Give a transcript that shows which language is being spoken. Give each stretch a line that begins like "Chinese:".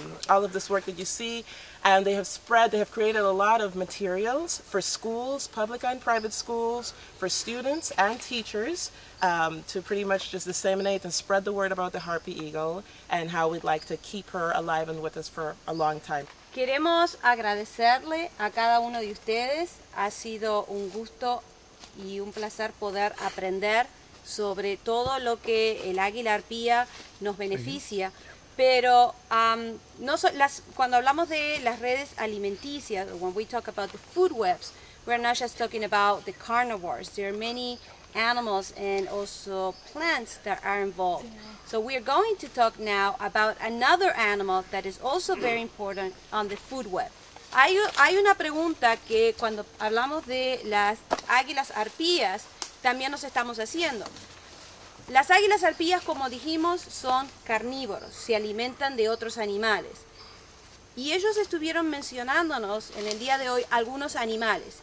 English: all of this work that you see, and they have spread, they have created a lot of materials for schools, public and private schools, for students and teachers, to pretty much just disseminate and spread the word about the harpy eagle and how we'd like to keep her alive and with us for a long time.
Spanish: Queremos agradecerle a cada uno de ustedes. Ha sido un gusto y un placer poder aprender sobre todo lo que el águila arpía nos beneficia. Pero cuando hablamos de las redes alimenticias,
English: when we talk about the food webs,
Spanish: we're not just talking about the carnivores.
English: There are many animals and also plants that are involved. So we are going to talk now about another animal that is also very important on the food web.
Spanish: Hay una pregunta que cuando hablamos de las águilas arpías también nos estamos haciendo. Las águilas arpías, como dijimos, son carnívoros, se alimentan de otros animales. Y ellos estuvieron mencionándonos en el día de hoy algunos animales.